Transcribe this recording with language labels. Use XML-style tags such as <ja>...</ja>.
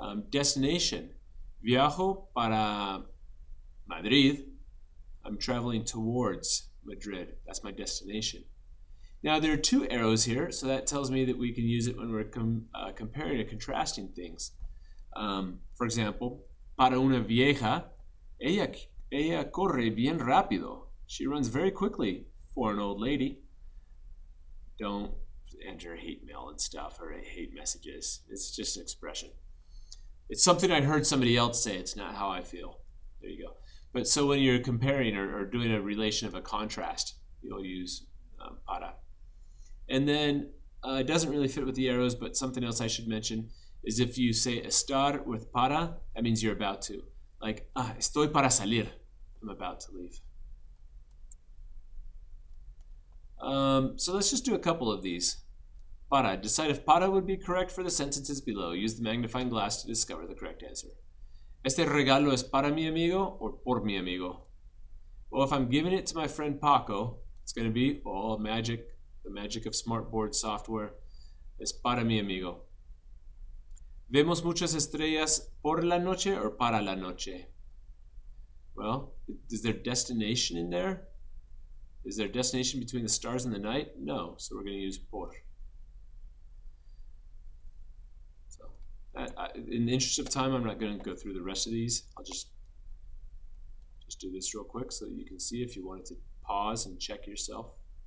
<es>Destination, viajo para Madrid.</es> <en>I'm traveling towards Madrid. That's my destination. Now there are two arrows here, so that tells me that we can use it when we're comparing or contrasting things. For example,</en> <es>para una vieja, ella corre bien rápido.</es> <en>She runs very quickly for an old lady. Don't enter hate mail and stuff or hate messages. It's just an expression. It's something I heard somebody else say. It's not how I feel. There you go. But so when you're comparing or doing a relation of a contrast, you'll use para. And then it doesn't really fit with the arrows, but something else I should mention is if you say estar with para, that means you're about to. Like, ah,</en> <es>estoy para salir.</es> <en>I'm about to leave. So let's just do a couple of these. Para. Decide if para would be correct for the sentences below. Use the magnifying glass to discover the correct answer.</en> <es>Este regalo es para mi amigo</es> <en>or</en> <es>por mi amigo?</es> <en>Well, if I'm giving it to my friend Paco, it's going to be all magic, the magic of smart board software.</en> <es>Es para mi amigo. ¿Vemos muchas estrellas por la noche or para la noche?</es> <en>Well, is there destination in there? Is there a destination between the stars and the night? No, so we're going to use por. So, in the interest of time, I'm not going to go through the rest of these. I'll just do this real quick so that you can see if you wanted to pause and check yourself.</en>